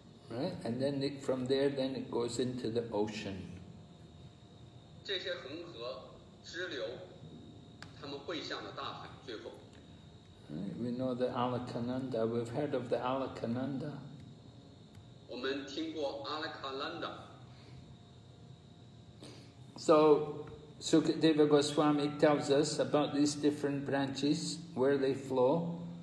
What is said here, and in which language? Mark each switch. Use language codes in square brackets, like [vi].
[en] Right, and then from there, then it goes into the ocean. [zh] 这些恒河支流，它们汇向了大海，最后。 [en] Right, we know the Alakananda, we've heard of the Alakananda. [zh] 我们听过阿拉卡兰达。 [en] So, Sukadeva Goswami tells us about these different branches, where they flow.